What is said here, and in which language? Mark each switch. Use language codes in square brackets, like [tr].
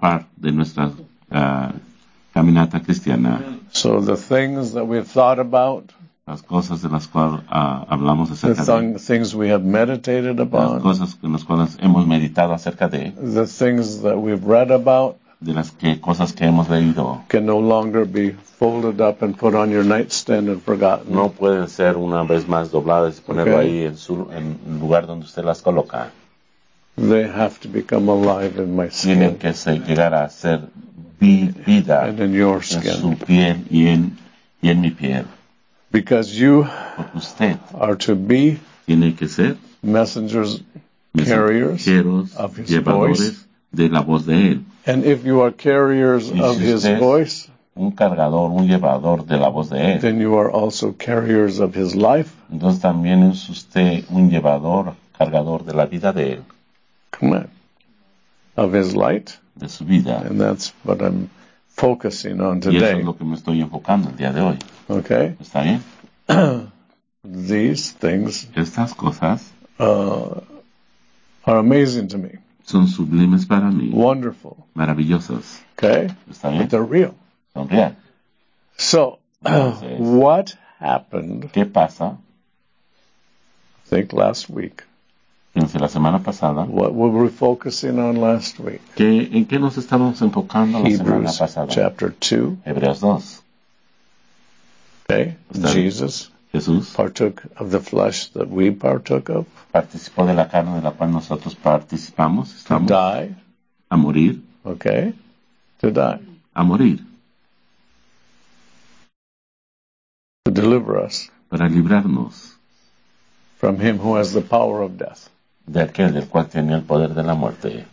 [es] Part de nuestra, caminata cristiana. [en] So the things that we've thought about. [es] Las cosas de las cuales, hablamos acerca [en] the things we have meditated about. [es] Las cosas en las cuales hemos meditado acerca de, [en] the things that we've read about. [es] De las que, cosas que hemos leído. [en] Can no longer be folded up and put on your nightstand and forgotten. [es] No pueden ser una vez más dobladas y ponerlo [en] okay. [es] Ahí en su en lugar donde usted las coloca. [en] They have to become alive in my skin. [es] Tienen que ser, llegar a ser vida [en] and in your skin. [es] En su piel y en mi piel. [en] Because you [es] usted [en] are to be [es] tiene que ser [en] messengers, carriers of his [es] llevadores [en] voice. [es] De la voz de él. [en] And if you are carriers [es] si [en] of his voice, [es] un cargador, un llevador de la voz de él, [en] then you are also carriers of his life. [es] Entonces también es usted un llevador, cargador de la vida de él. [en] Come on. Of his light. [es] De su vida. [en] And that's what I'm focusing on today. [es] Y eso es lo que me estoy enfocando el día de hoy. [en] Okay. [es] ¿Está bien? [en] These things [es] estas cosas [en] are amazing to me. [es] Son sublimes para mí. [en] Wonderful. [es] Maravillosos. [en] Okay. [es] ¿Está bien? [en] But they're real. [es] Son real. [en] So, what happened? [es] ¿Qué pasa? [en] I think last week. [es] Piense la semana pasada. [en] What were we focusing on last week? [es] ¿Qué, ¿en qué nos estamos enfocando [en] Hebrews [es] la semana pasada? [en] Chapter 2. [es] Hebreos 2. [en] Okay. Jesus. [es] Jesús. [en] Partook of the flesh that we partook of. [es] Participó de la carne de la cual nosotros participamos. Estamos [en] to die. [es] A morir. [en] Okay. To die. [es] A morir. [en] To deliver us. [es] Para librarnos. [en] From him who has the power of death. [es] de aquel del cual tenía el poder de la muerte.